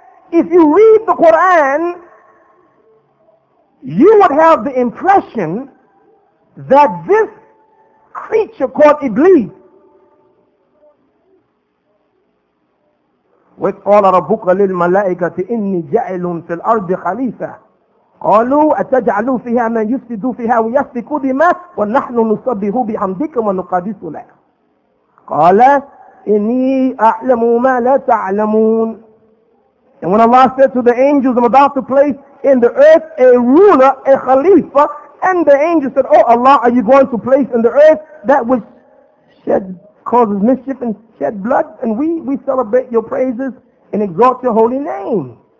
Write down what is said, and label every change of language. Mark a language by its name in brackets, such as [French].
[English] If you read the Quran, you would have the impression that this creature called Iblis, [Arabic] وَقَالَ رَبُّكَ لِلْمَلَائِكَةِ إِنِّي جَعِلٌ فِي الْأَرْضِ خَلِيفَةً. قالوا أتجعل فيها من يفسد فيها ويسفك دماء ونحن نسبح بحمدك ونقدس لك. قال إني أعلم ما لا تعلمون. [English] And when Allah said to the angels, I'm about to place in the earth a ruler, a khalifa, and the angels said, oh Allah, are you going to place in the earth that which sheds causes mischief and shed blood, and we celebrate your praises and exalt your holy name.